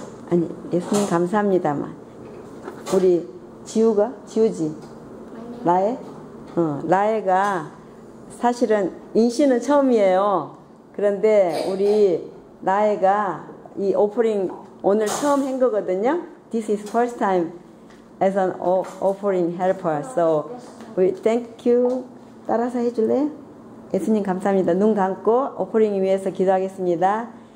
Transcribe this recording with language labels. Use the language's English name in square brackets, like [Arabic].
[Korean] 아니, 예수님 감사합니다만. 우리 지우가? 지우지? 라에? 응. 라에가 사실은 인신은 처음이에요. 그런데 우리 라에가 이 오퍼링 오늘 처음 한 거거든요. [English] This is first time as an offering helper. So we thank you. [Korean] 따라서 해줄래? 예수님 감사합니다. 눈 감고 오퍼링 위해서 기도하겠습니다.